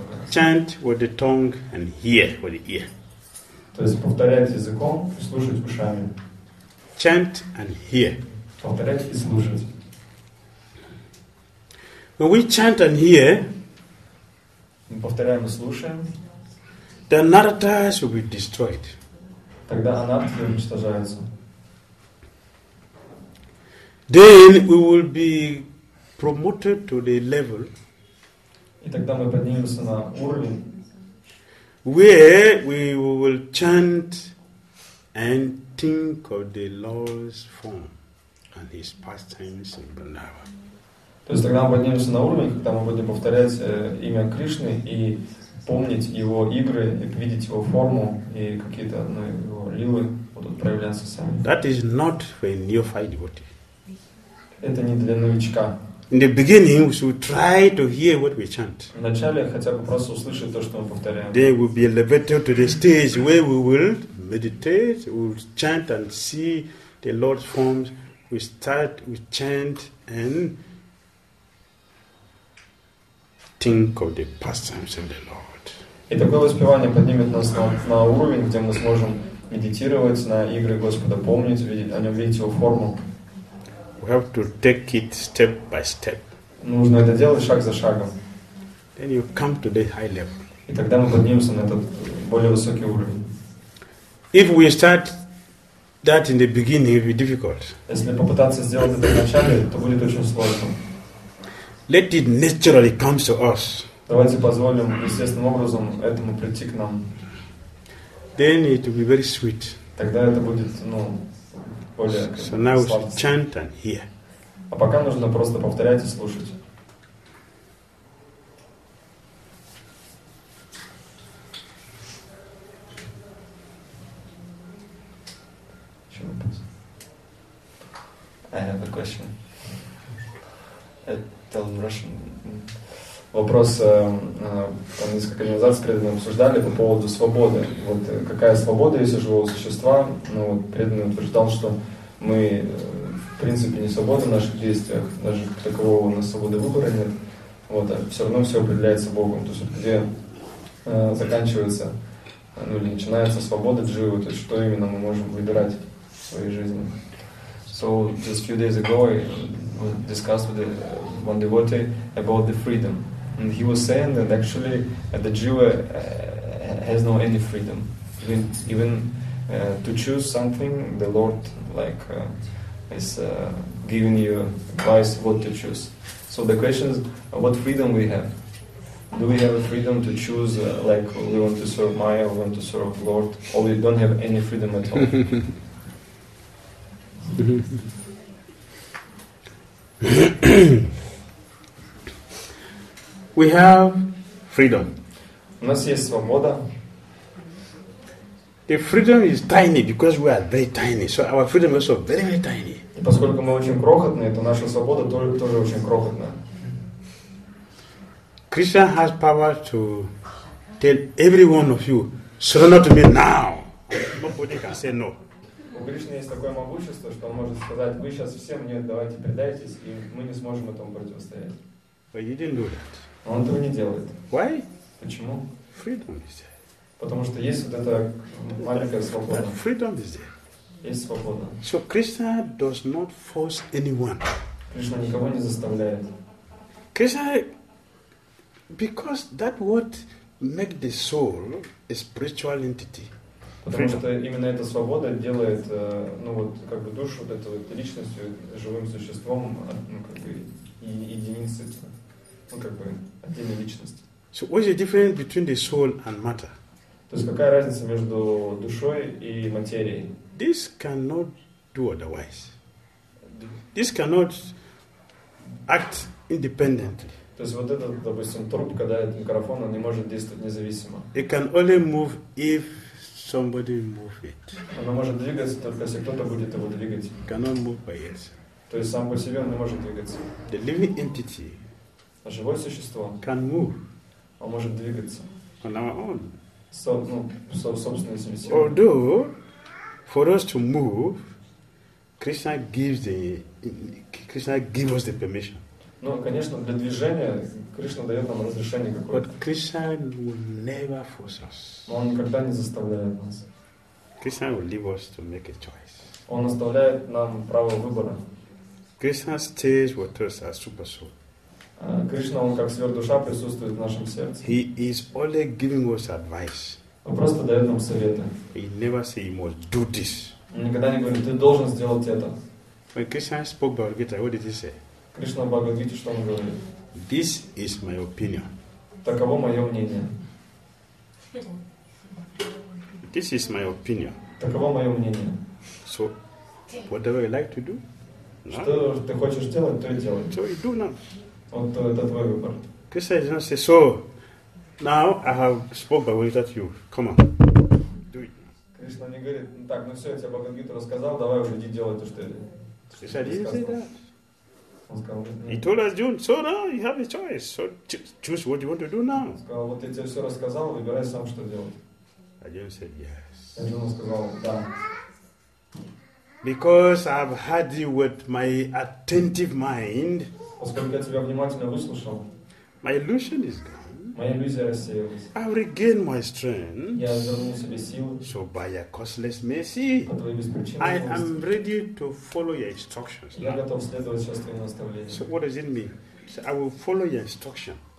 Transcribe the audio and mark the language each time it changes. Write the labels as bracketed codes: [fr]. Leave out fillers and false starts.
[en] Chant with the tongue and hear with the ear. [ru] То есть повторять языком и слушать ушами. [en] Chant and hear. [ru] Повторять и слушать. [en] When we chant and hear, [ru] мы повторяем и слушаем, [en] the anarthas will be destroyed. [ru] Тогда анартхи уничтожаются. [en] Then we will be promoted to the level. [ru] И тогда мы поднимемся на уровень, [en] where we will chant and think of the Lord's form and His pastimes in Vrindavan. [ru] То есть тогда мы поднимемся на уровень, когда мы будем повторять имя Кришны и помнить Его игры, и видеть Его форму и какие-то, ну, Его лилы будут проявляться сами. [en] That is not for a neophyte devotee. [ru] Это не для новичка. [en] In the beginning, we should try to hear what we chant. [ru] Вначале хотя бы просто услышать то, что мы повторяем. [en] Then we'll be elevated to the stage where we will meditate, we'll chant and see the Lord's forms. We start, we chant and think of the pastimes of the Lord. [ru] И такое воспевание поднимет нас на уровень, где мы сможем медитировать на игры Господа, помнить, видеть о нем, видеть Его форму. [en] We have to take it step by step. [ru] Нужно это делать шаг за шагом. [en] Then you come to the high level. [ru] И тогда мы поднимемся на этот более высокий уровень. [en] If we start that in the beginning, it will be difficult. [ru] Если попытаться сделать это в начале, то будет очень сложно. [en] Let it naturally come to us. [ru] Давайте позволим естественным образом этому прийти к нам. [en] Then it will be very sweet. [ru] Тогда это будет, ну, [en] so now we should chant and hear. [ru] А пока нужно просто повторять и слушать. [en] I have a question. Tell in Russian. [ru] Вопрос, там несколько организаций преданные обсуждали по поводу свободы. Вот какая свобода есть у живого существа? Ну, вот, преданный утверждал, что мы в принципе не свободны в наших действиях, даже такового у нас свободы выбора нет. Вот, а все равно все определяется Богом. То есть где заканчивается, ну или начинается свобода дживы, то есть что именно мы можем выбирать в своей жизни. [en] So just a few days ago I discussed with one devotee about the freedom. And he was saying that actually the jiva has no any freedom. Even to choose something, the Lord is giving you advice what to choose. So the question is, what freedom we have? Do we have a freedom to choose we want to serve Maya, we want to serve the Lord, or we don't have any freedom at all? We have freedom. [ru] У нас есть свобода. [en] The freedom is tiny because we are very tiny. So our freedom is also very, very tiny. [ru] И поскольку мы очень крохотные, то наша свобода тоже очень крохотная. [en] Krishna has power to tell every one of you, surrender to me now. Nobody can say no. [ru] У Кришны есть такое могущество, что он может сказать: вы сейчас всем мне давайте предайтесь, и мы не сможем этому противостоять. [en] But you didn't do that. [ru] Он этого не делает. [en] Why? [ru] Почему? [en] Freedom is there. [ru] Потому что есть вот эта маленькая свобода. [en] That freedom is there. [ru] Есть свобода. [en] So Krishna does not force anyone. [ru] Кришна никого не заставляет. [en] Krishna, because that what makes the soul a spiritual entity. [ru] Потому [en] freedom. [ru] Что именно эта свобода делает, ну вот как бы душу вот этой вот личностью, живым существом, ну как бы единицей. Ну, как бы, отдельная личность. [en] So what is the difference between the soul and matter? [ru] То есть какая разница между душой и материей? [en] This cannot do otherwise. This cannot act independently. [ru] То есть вот этот, допустим, трубка, да, этот микрофон, он не может действовать независимо. [en] It can only move if somebody move it. [ru] Оно может двигаться только если кто-то будет его двигать. [en] It cannot move by itself. [ru] То есть сам по себе он не может двигаться. [en] The living entity. [ru] А живое существо. [en] Can move. [ru] Он может двигаться. [en] On our own. So, although for us to move, Krishna gives us the permission. [ru] Ну, конечно, для движения Кришна дает нам разрешение какое-то. [en] But Krishna will never force us. [ru] Но он никогда не заставляет нас. [en] Krishna will leave us to make a choice. [ru] Он оставляет нам право выбора. [en] Krishna stays with us as super soul. [ru] Кришна, он как сверхдуша присутствует в нашем сердце. [en] He is only giving us advice. [ru] Он просто дает нам советы. [en] He never say you must do this. [ru] Он никогда не говорит, ты должен сделать это. [en] When Krishna spoke Bhagavad Gita, what did he say? [ru] Кришна в Бхагавад Гите что он говорит? [en] This is my opinion. [ru] Таково мое мнение. [en] This is my opinion. [ru] Таково мое мнение. [en] So, whatever you like to do. [ru] Что ты хочешь делать, то и делай. [en] So you do now. [ru] Вот то, это твой выбор. [en] Krishna says, so now I have spoken about it at you. Come on. Do it. [ru] Кришна не говорит, ну так, ну все, я тебе Бхагавад-гиту рассказал, давай уже иди делай то, что ты. [en] Krishna didn't say that. [ru] Он сказал, нет. [en] He told us, so now you have a choice. So choose what you want to do now. [ru] Он сказал, вот я тебе все рассказал, выбирай сам, что делать. [en] Arjuna said, yes. [ru] Arjuna сказал, да. [en] Because I've had you with my attentive mind. [ru] Поскольку я тебя внимательно выслушал, [en] my illusion is gone. [ru] Моя иллюзия рассеялась. [en] I regain my strength. [ru] Я вернул себе силы. [en] So by your causeless mercy, I am ready to follow your instructions. [ru] Я готов следовать сейчас твоим наставлениям. [en] So what does it mean? So I will follow your instruction.